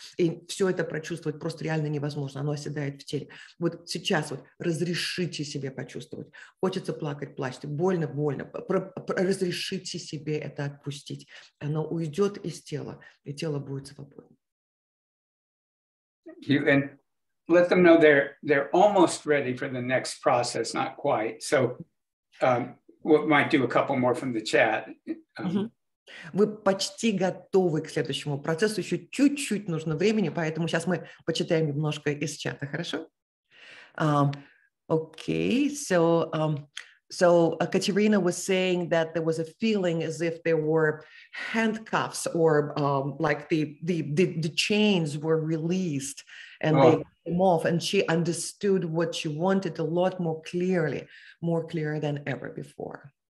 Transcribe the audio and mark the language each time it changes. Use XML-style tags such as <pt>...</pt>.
<ru>И все это прочувствовать просто реально невозможно, оно оседает в теле. Вот сейчас вот разрешите себе почувствовать. Хочется плакать, плачьте, больно, больно. Разрешите себе это отпустить. Оно уйдет из тела, и тело будет свободно.</ru> <en>You, and let them know they're almost ready for the next process, not quite. So we might do a couple more from the chat.</en> <ru>Вы почти готовы к следующему процессу. Еще чуть-чуть нужно времени, поэтому сейчас мы почитаем немножко из чата, хорошо?</ru> <en>Okay, So Katerina was saying that there was a feeling as if there were handcuffs or like the chains were released and they came off, and she understood what she wanted a lot more clearer than ever before.</en>